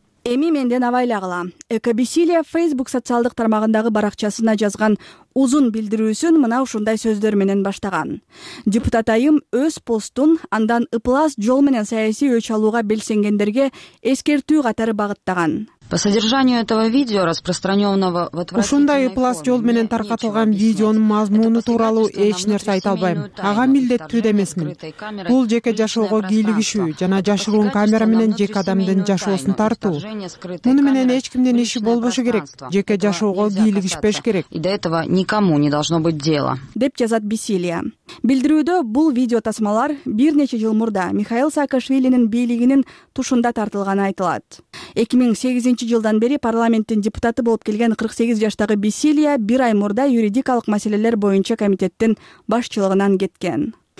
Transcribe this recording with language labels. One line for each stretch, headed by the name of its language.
Kyrgyz: Эми менден абайлагыла. Эка Биселия Facebook социалдык тармагындагы баракчасына жазган узун билдирүүсүн мына ушундай сөздөр менен баштаган. Депутат айым өз постун андан ыплас жол менен саясий өч алууга белсенгендерге эскертүү катары багыттаган.
Russian: По содержанию этого видео, распространенного в
Kyrgyz: ушундай ыплас жол менен таркатылган видеонун мазмуну тууралуу эч нерсе айта албайм. Ага милдеттүү да эмесмин. Бул жеке жашоого кийлигишүү жана жашыруун камера менен жеке адамдын жашоосун тартуу. Муну менен эч кимдин иши болбошу керек. Жеке жашоого кийлигишпеш керек.
Russian: И до этого никому не должно быть дела.
Kyrgyz: Деп жазат Биселия. Билдирүүдө бул видео тасмалар бир нече жыл мурда Михаил Саакашвилинин бийлигинин тушунда тартылганы айтылат. 2008-жылдан бери парламенттин депутаты болуп келген 48 жаштагы Биселия бир ай мурда юридикалык маселелер боюнча комитеттин башчылыгынан кеткен.